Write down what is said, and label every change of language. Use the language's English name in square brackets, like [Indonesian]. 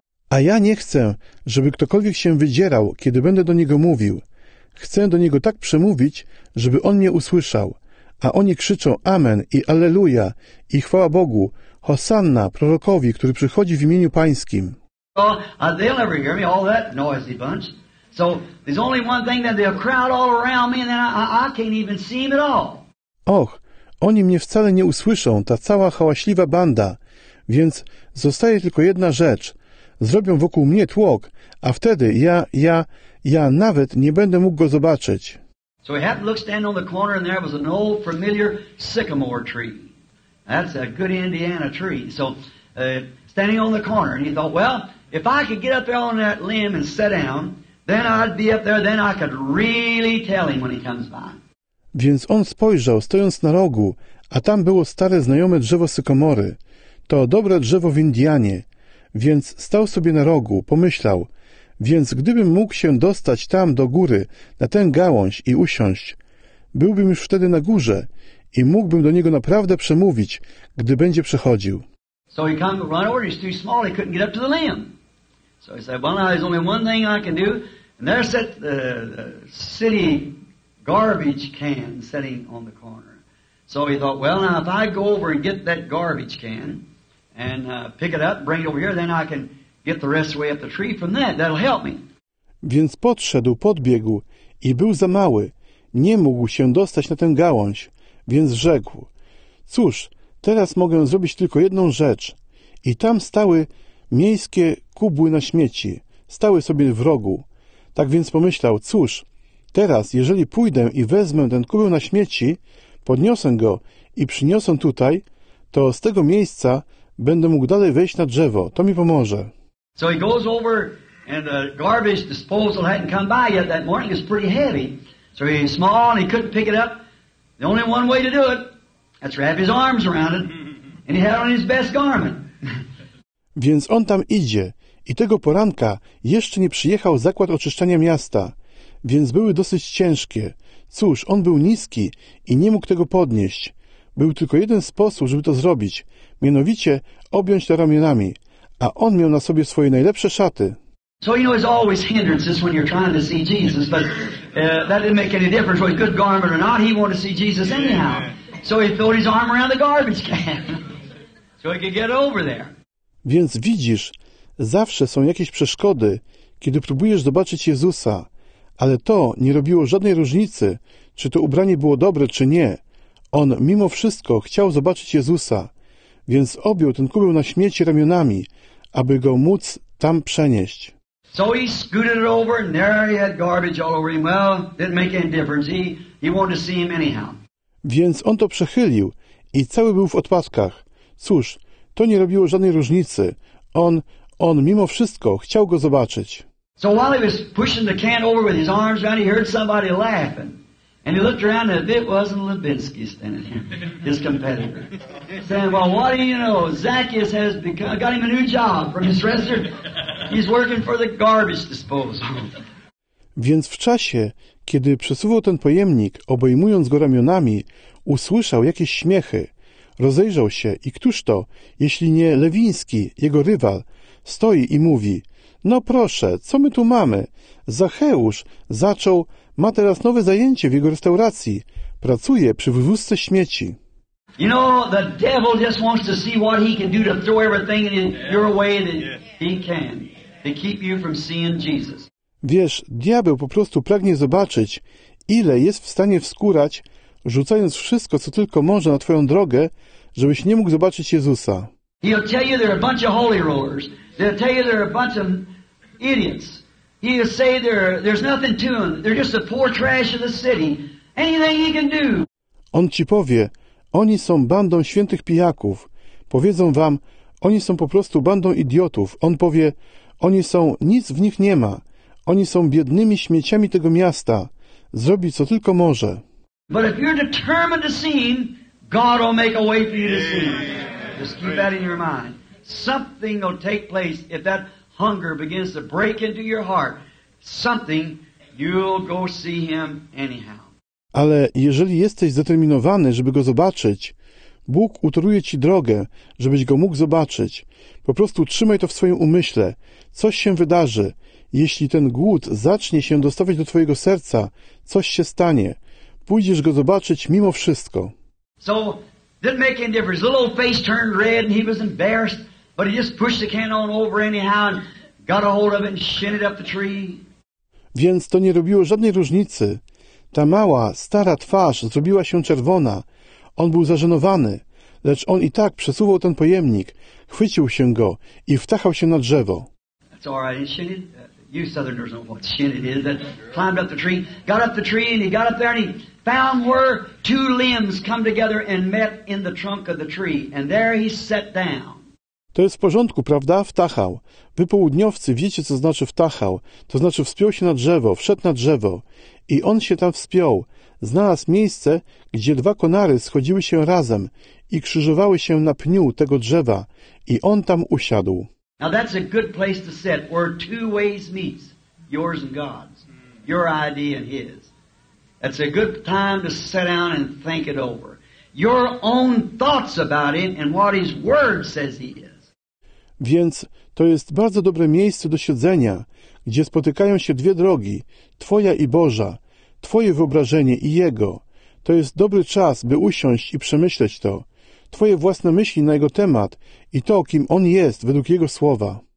[Polish] A ja nie chcę, żeby ktokolwiek się wydzierał, kiedy będę do niego mówił. Chcę do niego tak przemówić, żeby on mnie usłyszał. A oni krzyczą Amen i Alleluja i chwała Bogu, Hosanna, prorokowi, który przychodzi w imieniu Pańskim. [English] They'll never hear me, all that noisy bunch. So there's only one thing that they'll crowd all around me and then I can't even see him at all. [Polish] Och, oni mnie wcale nie usłyszą, ta cała hałaśliwa banda. Więc zostaje tylko jedna rzecz. Zrobią wokół mnie tłok, a wtedy ja nawet nie będę mógł go zobaczyć. [English] So he had to look standing on the corner and there was an old familiar sycamore tree. That's a good Indiana tree. So standing on the corner and he thought, well, if I could get up there on that limb and sit down, then I'd be up there, then I could really tell him when he comes by. [Polish] Więc on spojrzał, stojąc na rogu, a tam było stare znajome drzewo sykomory. To dobre drzewo w Indianie, więc stał sobie na rogu, pomyślał, więc gdybym mógł się dostać tam do góry, na tę gałąź i usiąść, byłbym już wtedy na górze i mógłbym do niego naprawdę przemówić, gdy będzie przechodził. [English] So he came right over, he's too small, he couldn't get up to the limb. So he said, well, now there's only one thing I can do, and there sat the city garbage can sitting on the corner. So he thought, well, now if I go over and get that garbage can and pick it up and bring it over here, then I can get the rest of the way up the tree from that. That'll help me. [Polish] Więc podszedł, podbiegł i był za mały. Nie mógł się dostać na tę gałąź, więc rzekł, cóż, Teraz mogę zrobić tylko jedną rzecz. I tam stały miejskie kubły na śmieci. Stały sobie w rogu. Tak więc pomyślał, cóż, teraz, jeżeli pójdę i wezmę ten kubeł na śmieci, podniosę go i przyniosę tutaj, to z tego miejsca będę mógł dalej wejść na drzewo. To mi pomoże. [English] So he goes over and the garbage disposal hadn't come by yet that morning. It's pretty heavy. So he's small and he couldn't pick it up. The only one way to do it, that's wrap his arms around it. And he had on his best garment. [Polish] Więc on tam idzie i tego poranka jeszcze nie przyjechał zakład oczyszczania miasta, więc były dosyć ciężkie. Cóż, on był niski i nie mógł tego podnieść. Był tylko jeden sposób, żeby to zrobić, mianowicie objąć to ramionami, a on miał na sobie swoje najlepsze szaty. [English] So you know there's always hindrances when you're trying to see Jesus, but that didn't make any difference whether good garment or not, he wanted to see Jesus anyhow. So he threw his arm around the garbage can so he could get over there. [Polish] Więc widzisz, zawsze są jakieś przeszkody, kiedy próbujesz zobaczyć Jezusa, ale to nie robiło żadnej różnicy, czy to ubranie było dobre, czy nie. On mimo wszystko chciał zobaczyć Jezusa, więc objął ten kubeł na śmieci ramionami, aby go móc tam przenieść. [English] So he scooted it over and there he had garbage all over him. Well, didn't make any difference. He wanted to see him anyhow. [Polish] Więc on to przechylił i cały był w odpadkach. Cóż, to nie robiło żadnej różnicy. On mimo wszystko chciał go zobaczyć. [English] So while he was pushing the can over with his arms around, he heard somebody laughing. And he looked around and it wasn't Levinsky standing there, his competitor. Saying, well, what do you know? Zacchaeus has become, got him a new job from his restaurant. He's working for the garbage disposal. [Polish] Więc w czasie, kiedy przesuwał ten pojemnik, obejmując go ramionami, usłyszał jakieś śmiechy. Rozejrzał się i któż to, jeśli nie Lewiński, jego rywal, stoi i mówi, no proszę, co my tu mamy? Zacheusz zaczął, ma teraz nowe zajęcie w jego restauracji, pracuje przy wywózce śmieci. [English] You know, the devil just wants to see what he can do to throw everything in your way that he can to keep you from seeing Jesus. [Polish] Wiesz, diabeł po prostu pragnie zobaczyć, ile jest w stanie wskórać, rzucając wszystko, co tylko może na twoją drogę, żebyś nie mógł zobaczyć Jezusa. [English] He'll tell you they're a bunch of holy rollers. They'll tell you they're a bunch of idiots. He'll say there's nothing to them. They're just a poor trash of the city. Anything he can do. [Polish] On ci powie, oni są bandą świętych pijaków. Powiedzą wam, oni są po prostu bandą idiotów. On powie, oni są, nic w nich nie ma. Oni są biednymi śmieciami tego miasta. Zrobi, co tylko może. [English] But if you're determined to see him, God will make a way for you to see him. Just keep that in your mind. Something will take place if that hunger begins to break into your heart. Something, you'll go see him anyhow. [Polish] Ale jeżeli jesteś zdeterminowany, żeby go zobaczyć, Bóg utoruje ci drogę, żebyś go mógł zobaczyć. Po prostu trzymaj to w swoim umyśle. Coś się wydarzy. Jeśli ten głód zacznie się dostawać do twojego serca, coś się stanie. Pójdziesz go zobaczyć mimo wszystko. [English] So, didn't make any difference. Little old face turned red and he was embarrassed, but he just pushed the can on over anyhow and got a hold of it and shinned it up the tree. [Polish] Więc to nie robiło żadnej różnicy. Ta mała, stara twarz zrobiła się czerwona. On był zażenowany, lecz on i tak przesuwał ten pojemnik, chwycił się go i wtachał się na drzewo. [English] That's all right, shinned. You Southerners know what shin it is. That climbed up the tree, got up the tree, and he got up there and he found where two limbs come together and met in the trunk of the tree. And there he sat down. [Polish] To jest w porządku, prawda? Wtachał. Wy południowcy wiecie, co znaczy wtachał. To znaczy wspiął się na drzewo, wszedł na drzewo. I on się tam wspiął. Znalazł miejsce, gdzie dwa konary schodziły się razem i krzyżowały się na pniu tego drzewa. I on tam usiadł. [English] Now that's a good place to sit, where two ways meets, yours and God's, your idea and his. That's a good time to sit down and think it over. Your own thoughts about him and what his word says he is. [Polish] Więc to jest bardzo dobre miejsce do siedzenia, gdzie spotykają się dwie drogi, twoja i Boża, twoje wyobrażenie i jego. To jest dobry czas, by usiąść i przemyśleć to. Twoje własne myśli na jego temat i to, kim on jest według jego słowa.